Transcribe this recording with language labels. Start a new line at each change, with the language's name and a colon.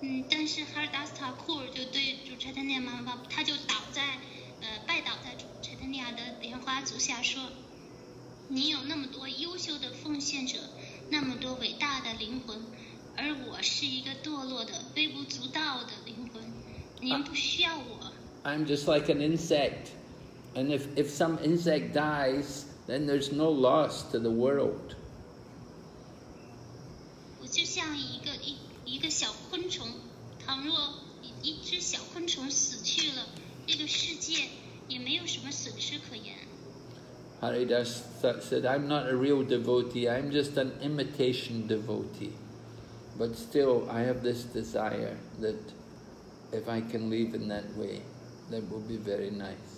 Chinese: 但是 Haridas Thakur 就对主 Chaitanya Mahaprabhu, 他就拜倒在主 Chaitanya 的莲花足下说，你有那么多优秀的奉献者，那么多伟大的灵魂，而我是一个堕落的、微不足道的灵魂。您不需要我。
English: I'm just like an insect, and if some insect dies, then there's no loss to the world.
Chinese: 我就像一个小昆虫，倘若一只小昆虫死去了，这个世界也没有什么损失可言。
English: Haridas said, I'm not a real devotee, I'm just an imitation devotee. But still, I have this desire that if I can leave in that way, that will be very nice.